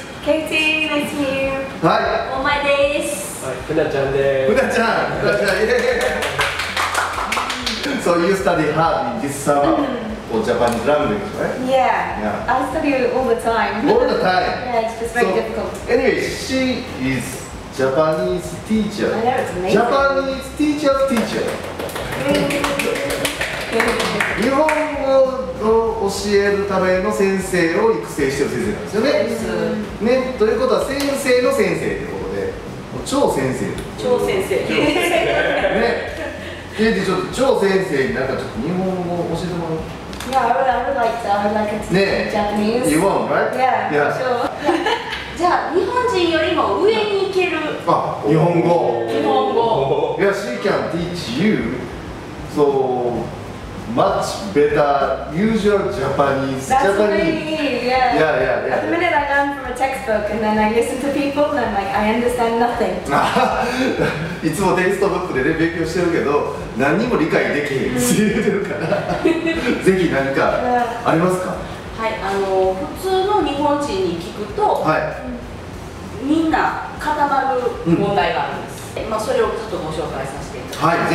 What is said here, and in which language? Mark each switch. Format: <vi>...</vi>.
<ja>ケイティ、ナイスミュー。はい、オーマイです。はい、フナちゃんです。フナちゃん、フナちゃん、イエーイ。</ja> <en>So you study hard in this summer for Japanese language, right? Yeah, I study all the time. All the time? Yeah, it's just very difficult. Anyway, she is Japanese teacher. I know, it's amazing. Japanese teacher's teacher.</en> <ja>日本語を教えるための先生を育成している先生なんですよね。ね、ということは先生の先生ということで、もう超先生。超先生。超先生。ね。ケイティ、ちょっと超先生になんかちょっと日本語を教えてもらう。</ja> <en>Yeah, I would like to speak Japanese. You want, right? Yeah, yeah. Sure.</en> <ja>じゃあ日本人よりも上に行ける。あ、日本語。日本語。</ja> <en>Yeah, she can teach you so much better usual Japanese. That's what I need. Yeah. Yeah, yeah, yeah. At the minute I learn from a textbook and then I listen to people and I'm like, I understand nothing.</en> <ja>いつもテキストブックで、ね、勉強してるけど何にも理解できへんって言ってるからぜひ何かありますか。はい、あの普通の日本人に聞くと、はい、みんな固まる問題があるんです、うん、まあ、それをちょっとご紹介させていただきます。</ja>